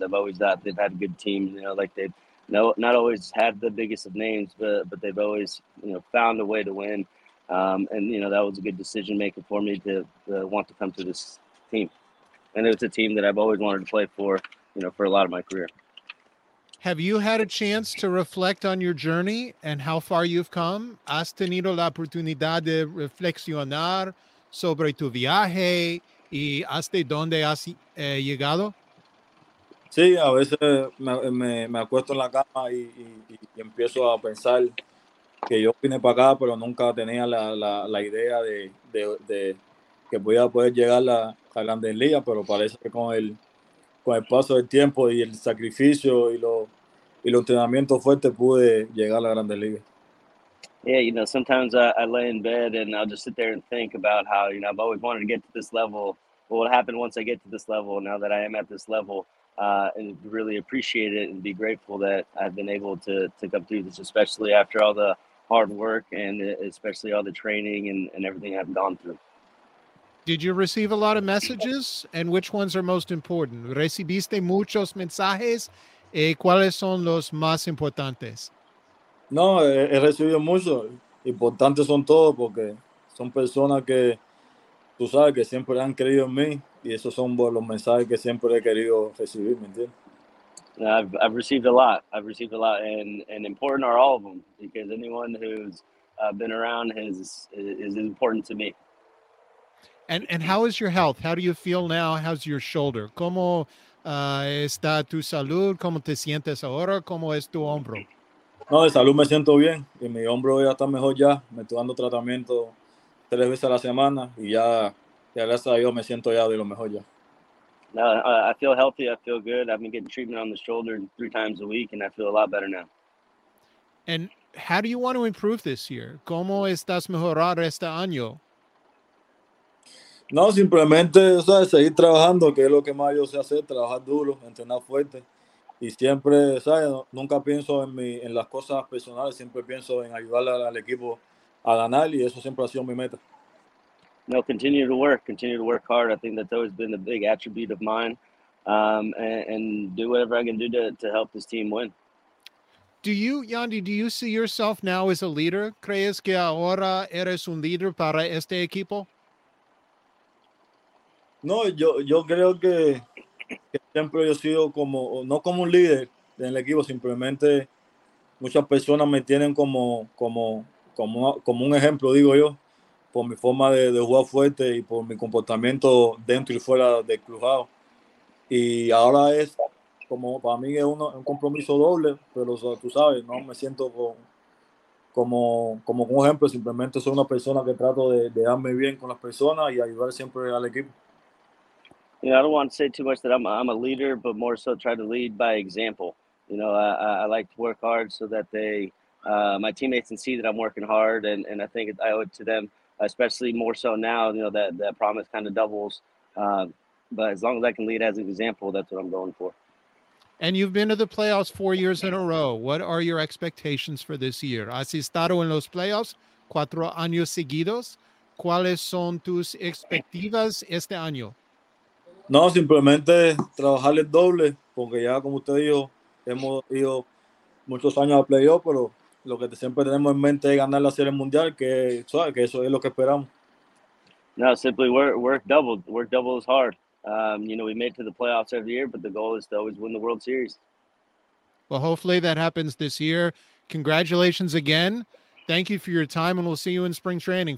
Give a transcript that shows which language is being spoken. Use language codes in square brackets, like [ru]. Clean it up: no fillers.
[en] I've always thought they've had a good team. You know, like they've not always had the biggest of names, but they've always, you know, found a way to win. And, you know, that was a good decision making for me to want to come to this team. And it's a team that I've always wanted to play for, you know, for a lot of my career. Have you had a chance to reflect on your journey and how far you've come? [es] ¿Has tenido la oportunidad de reflexionar sobre tu viaje y hasta dónde has llegado? Sí, a veces me acuesto en la cama y empiezo a pensar que yo vine para acá, pero nunca tenía la idea de que podía poder llegar a la Grande Liga, pero parece que con el paso del tiempo y el sacrificio y los entrenamientos fuertes pude llegar a la Grande Liga. [en] Yeah, you know, sometimes I lay in bed and I'll just sit there and think about how, you know, I've always wanted to get to this level. What will happen once I get to this level, now that I am at this level, and really appreciate it and be grateful that I've been able to come through this, especially after all the hard work and especially all the training and everything I've gone through. Did you receive a lot of messages? And which ones are most important? [es] ¿Recibiste muchos mensajes? ¿Y cuáles son los más importantes? No, he recibido mucho. Importantes son todos porque son personas que tú sabes que siempre han creído en mí y esos son los mensajes que siempre he querido recibir, ¿me entiendes? [en] I've received a lot. I've received a lot, and important are all of them, because anyone who's been around is important to me. And how is your health? How do you feel now? How's your shoulder? [es] ¿Cómo está tu salud? ¿Cómo te sientes ahora? ¿Cómo es tu hombro? No, de salud me siento bien y mi hombro ya está mejor ya. Me estoy dando tratamiento 3 veces a la semana y ya gracias a Dios me siento ya de lo mejor ya. [en] No, I feel healthy, I feel good. I've been getting treatment on the shoulder 3 times a week and I feel a lot better now. And how do you want to improve this year? [es] ¿Cómo estás mejorar este año? No, simplemente, o sea, seguir trabajando, que es lo que más yo sé hacer, trabajar duro, entrenar fuerte. Y siempre, ¿sabes? Nunca pienso en las cosas personales, siempre pienso en ayudar al equipo a ganar y eso siempre ha sido mi meta. [en] No, continue to work hard. I think that's always been the big attribute of mine. And do whatever I can do to help this team win. Yandy, do you see yourself now as a leader? [es] ¿Crees que ahora eres un líder para este equipo? No, yo creo que siempre yo he sido como, no como un líder en el equipo, simplemente muchas personas me tienen como un ejemplo, digo yo, por mi forma de jugar fuerte y por mi comportamiento dentro y fuera del clubhouse. Y ahora es como, para mí es un compromiso doble, pero tú sabes, no me siento como un ejemplo, simplemente soy una persona que trato de darme bien con las personas y ayudar siempre al equipo. [en] You know, I don't want to say too much that I'm a leader, but more so try to lead by example. You know, I like to work hard so that my teammates can see that I'm working hard, and I think I owe it to them, especially more so now, you know, that promise kind of doubles. But as long as I can lead as an example, that's what I'm going for. And you've been to the playoffs 4 years in a row. What are your expectations for this year? [es] ¿Has estado en los playoffs 4 años seguidos? ¿Cuáles son tus expectativas este año? No, simplemente trabajar el doble, porque ya, como usted dijo, hemos ido muchos años a playoff, pero lo que siempre tenemos en mente es ganar la Serie Mundial, que eso es lo que esperamos. [en] No, simply work double. Work double is hard. You know, we made it to the playoffs every year, but the goal is to always win the World Series. Well, hopefully that happens this year. Congratulations again. Thank you for your time, and we'll see you in spring training.